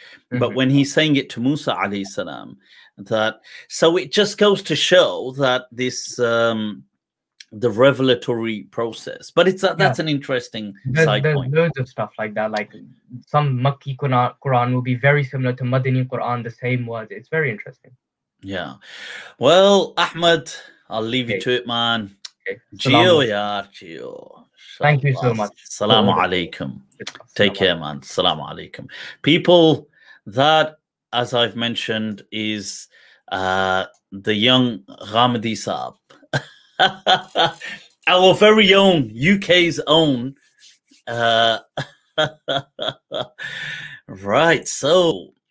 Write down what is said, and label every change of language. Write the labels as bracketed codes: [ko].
[en] But when he's saying it to Musa alayhi salam, that, so it just goes to show that this the revelatory process, but it's that's an interesting there's loads of stuff like that, like some Makki Quran will be very similar to Madani Quran, the same words. It's very interesting. Well, Ahmed, I'll leave you to it, man. [ur] Jio, یار، Jio. [en] Thank you so much. Assalamu alaikum. Take care, man. Assalamu alaikum. People, that, as I've mentioned, is the young Ramadi Saab. Our very own, UK's own. Right, so...